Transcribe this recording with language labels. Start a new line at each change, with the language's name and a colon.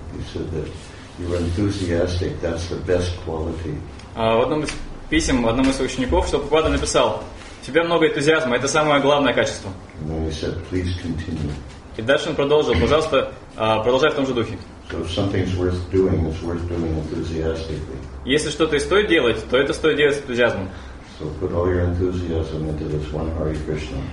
English: He said that you're enthusiastic, that's the best quality.
Russian: В одном из писем одному из учеников, что Прабхупада написал, тебе много энтузиазма, это самое главное качество.
English: And then he said, please continue.
Russian: И дальше он продолжил, пожалуйста, продолжай в том же духе.
English: So if something's worth doing, it's worth doing enthusiastically.
Russian: Если что-то и стоит делать, то это стоит делать с энтузиазмом.
English: So put all your enthusiasm into this one Hare Krishna.